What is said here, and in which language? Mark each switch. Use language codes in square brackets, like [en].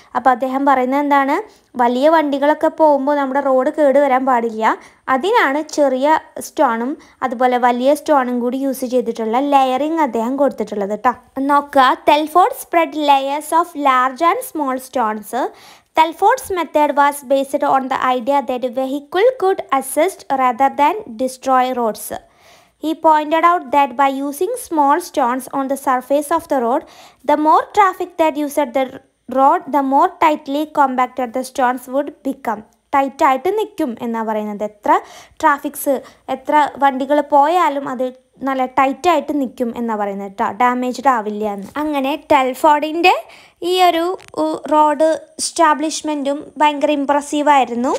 [ml] അപ്പോൾ അദ്ദേഹം പറയുന്നത് എന്താണ്, വലിയ വണ്ടികളൊക്കെ പോകുമ്പോൾ നമ്മുടെ റോഡ് കേടുവരാൻ പാടില്ല, അതിനാണ് ചെറിയ സ്റ്റോണും അതുപോലെ വലിയ സ്റ്റോണും കൂടി യൂസ് ചെയ്തിട്ടുള്ള ലെയറിങ് അദ്ദേഹം കൊടുത്തിട്ടുള്ളത് കേട്ടോ. [en] നോക്കുക, Telford spread layers of large and small stones. Telford's method was based on the idea that vehicle could assist rather than destroy roads. He pointed out that by using small stones on the surface of the road, the more traffic that used the road, the more tightly compacted the stones would become. [ml] ടൈറ്റായിട്ട് നിൽക്കും എന്നാണ് പറയുന്നത്. എത്ര traffics എത്ര വണ്ടികൾ പോയാലും അത് നല്ല ടൈറ്റായിട്ട് നിൽക്കും എന്നാണ് പറയുന്നത് കേട്ടോ, ഡാമേജ്ഡ് ആവില്ല എന്ന്. അങ്ങനെ ടെൽഫോർഡിൻ്റെ ഈ ഒരു റോഡ് എസ്റ്റാബ്ലിഷ്മെൻറ്റും ഭയങ്കര ഇമ്പ്രസീവായിരുന്നു.